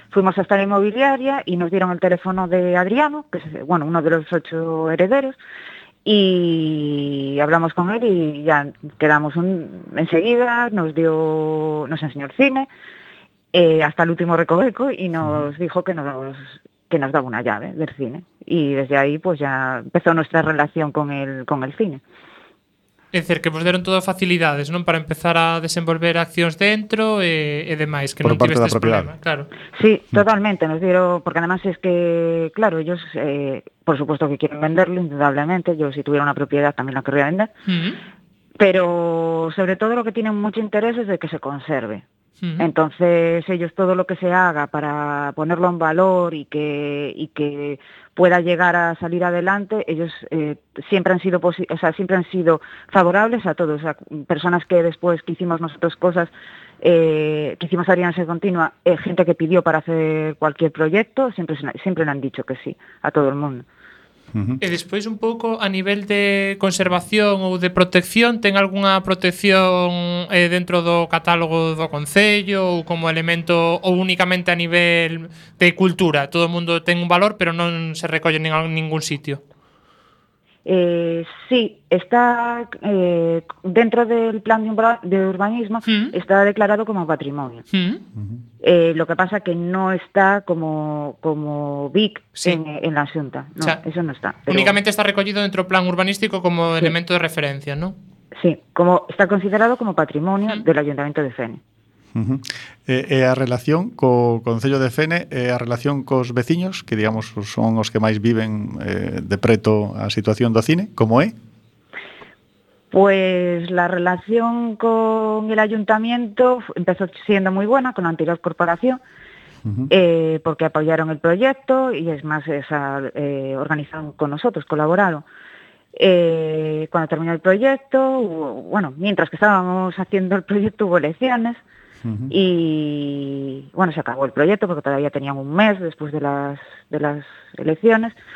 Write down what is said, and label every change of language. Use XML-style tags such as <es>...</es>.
<es>Fuimos hasta la inmobiliaria y nos dieron el teléfono de Adriano, que es, bueno, uno de los 8 herederos, y hablamos con él y ya quedamos enseguida, nos enseñó el cine. Hasta el último recoveco y nos dijo que nos daba una llave del cine. Y desde ahí pues ya empezó nuestra relación con el cine.</es> <gl>Es decir, que vos deron todas facilidades, ¿no? Para empezar a desenvolver accións dentro e demais, que</gl> <es>por</es> <gl>non tiveste</gl> <es>este</es> <gl>problema, claro.</gl> <es>Sí, totalmente, nos dieron, porque además es que, claro, ellos, por supuesto que quieren venderlo, indudablemente, yo si tuviera una propiedad también la querría vender, pero sobre todo lo que tienen mucho interés es de que se conserve. Entonces ellos todo lo que se haga para ponerlo en valor y que pueda llegar a salir adelante, ellos siempre han sido favorables a todos, o sea, personas que después que hicimos nosotros cosas, que hicimos Adrián Ser Continua, gente que pidió para hacer cualquier proyecto, siempre le han dicho que sí a todo el mundo.</es> <gl>E despois un pouco a nivel de conservación ou de protección, ten algunha protección dentro do catálogo do concello ou como elemento ou únicamente a nivel de cultura? Todo o mundo ten un valor, pero non se recolle en ningún sitio.</gl> <es>Sí, está dentro del plan de urbanismo, está declarado como patrimonio. Lo que pasa que no está como BIC, sí, en la Xunta, no, o sea, eso no está. Pero únicamente está recogido dentro del plan urbanístico como elemento de referencia, ¿no? Sí, como está considerado como patrimonio del Ayuntamiento de Fene.</es> <gl>A relación co Concello de Fene, a relación cos veciños, que digamos son os que máis viven de preto a situación do cine, como é?</gl> <es>Pues la relación con el ayuntamiento empezó siendo muy buena con la anterior corporación, porque apoyaron el proyecto y es más, organizaron con nosotros, colaboraron. Cuando terminó el proyecto, mientras que estábamos haciendo el proyecto hubo elecciones, y bueno, se acabó el proyecto porque todavía tenían un mes después de las elecciones.</es>